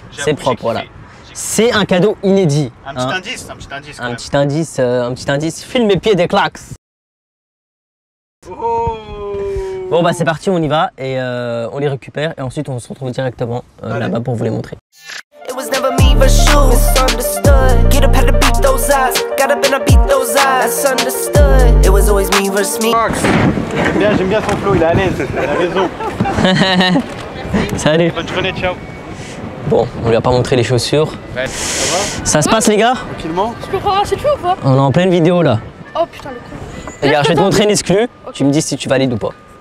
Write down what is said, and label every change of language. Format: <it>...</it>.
<fr>C'est propre, voilà. C'est un cadeau inédit. Un petit indice. File mes pieds des claques. Oh. Bon bah c'est parti, on y va et on les récupère et ensuite on se retrouve directement là-bas pour vous les montrer.</fr> <en>It was never me versus you, misunderstood. Get up, had to beat those odds, got up and I beat those odds, misunderstood. It was always me versus me.</en> <fr>Bien, j'aime bien son flow, il est à l'aise, il a raison. Salut. Bonne journée, ciao. Bon, on lui a pas montré les chaussures. Ouais. Ça se passe les gars? Tranquillement. Je peux pas arracher de chaud ou pas? On est en pleine vidéo là. Oh putain, le coup. Les gars, je vais te montrer une exclue. Okay. Tu me dis si tu valides ou pas.</fr>